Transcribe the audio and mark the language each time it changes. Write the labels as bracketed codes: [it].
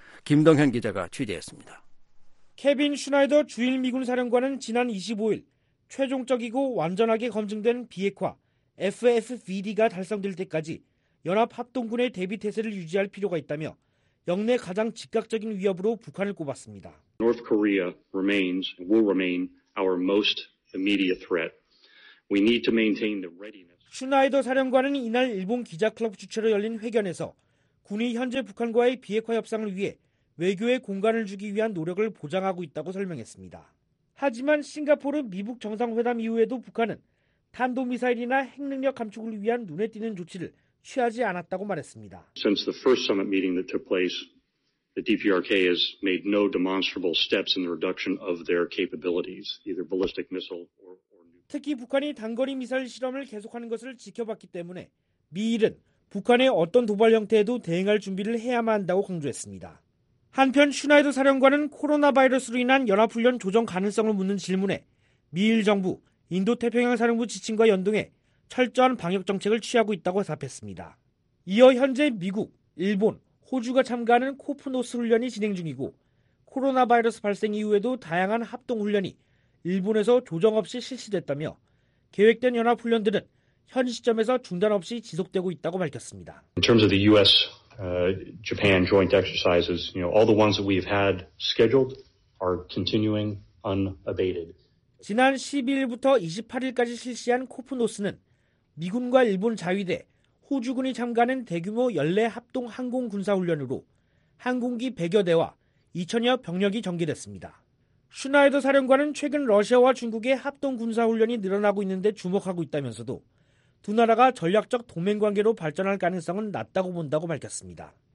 [ko] 김동현 기자가 취재했습니다. 케빈 슈나이더 주일 미군 사령관은 지난 25일 최종적이고 완전하게 검증된 비핵화 FFVD가 달성될 때까지 연합 합동군의 대비 태세를 유지할 필요가 있다며 역내 가장 즉각적인 위협으로 북한을 꼽았습니다. [en] North Korea remains and will remain our most immediate threat. We need to maintain the readiness. [ko] 슈나이더 사령관은 이날 일본 기자클럽 주최로 열린 회견에서 군이 현재 북한과의 비핵화 협상을 위해 외교의 공간을 주기 위한 노력을 보장하고 있다고 설명했습니다. 하지만 싱가포르 미북 정상회담 이후에도 북한은 탄도미사일이나 핵능력 감축을 위한 눈에 띄는 조치를 취하지 않았다고 말했습니다. [en] Since the first summit meeting that took place, the DPRK has made no demonstrable steps in the reduction of their capabilities, either ballistic missile or nuclear. [ko] 특히 북한이 단거리 미사일 실험을 계속하는 것을 지켜봤기 때문에 미일은 북한의 어떤 도발 형태에도 대응할 준비를 해야만 한다고 강조했습니다. 한편 슈나이더 사령관은 코로나 바이러스로 인한 연합훈련 조정 가능성을 묻는 질문에 미일 정부, 인도태평양 사령부 지침과 연동해 철저한 방역 정책을 취하고 있다고 답했습니다. 이어 현재 미국, 일본, 호주가 참가하는 코프 노스 훈련이 진행 중이고 코로나 바이러스 발생 이후에도 다양한 합동 훈련이 일본에서 조정 없이 실시됐다며 계획된 연합 훈련들은 현 시점에서 중단 없이 지속되고 있다고 밝혔습니다. [en] In terms of the US, Japan joint exercises, you know, all the ones that we've had scheduled are continuing unabated. [ko] 지난 12일부터 28일까지 실시한 코프노스는 미군과 일본 자위대, 호주군이 참가하는 대규모 연례 합동 항공 군사훈련으로 항공기 100여 대와 2천여 병력이 전개됐습니다. 슈나이더 사령관은 최근 러시아와 중국의 합동 군사훈련이 늘어나고 있는데 주목하고 있다면서도 두 나라가 전략적 동맹관계로 발전할 가능성은 낮다고 본다고 밝혔습니다.